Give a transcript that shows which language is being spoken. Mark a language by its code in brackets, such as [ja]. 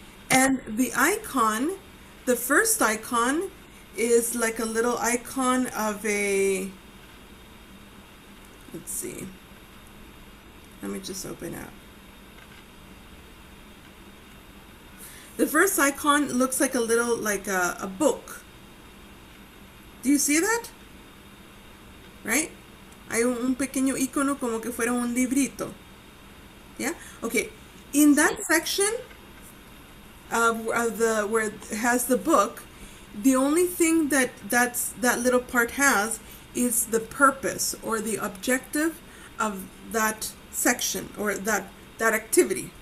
[en] And the icon, the first icon is like a little icon of a, let's see. Let me just open up. The first icon looks like a little, like a book. Do you see that? Right? [es] Hay un pequeño icono como que fuera un librito. [en] Yeah? Okay. In that section of the, where it has the book, the only thing that that's, that little part has is the purpose or the objective of that section or that that activity.